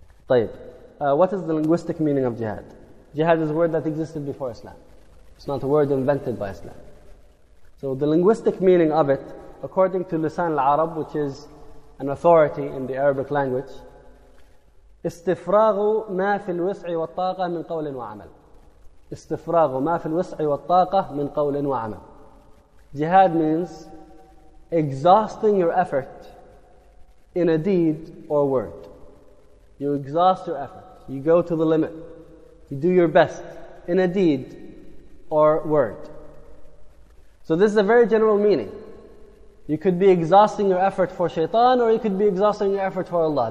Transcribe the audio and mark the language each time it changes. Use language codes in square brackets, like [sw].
[ar] طيب, [en] what is the linguistic meaning of jihad? Jihad is a word that existed before Islam. It's not a word invented by Islam. So the linguistic meaning of it, according to Lisan al-Arab, which is an authority in the Arabic language, [ar] استفراغ ما في الوسع والطاقة من قول وعمل. استفراغ ما في الوسع والطاقة من قول وعمل. [en] Jihad means exhausting your effort in a deed or word. You exhaust your effort. You go to the limit. You do your best in a deed or word. So this is a very general meaning. You could be exhausting your effort for shaitan, or you could be exhausting your effort for Allah.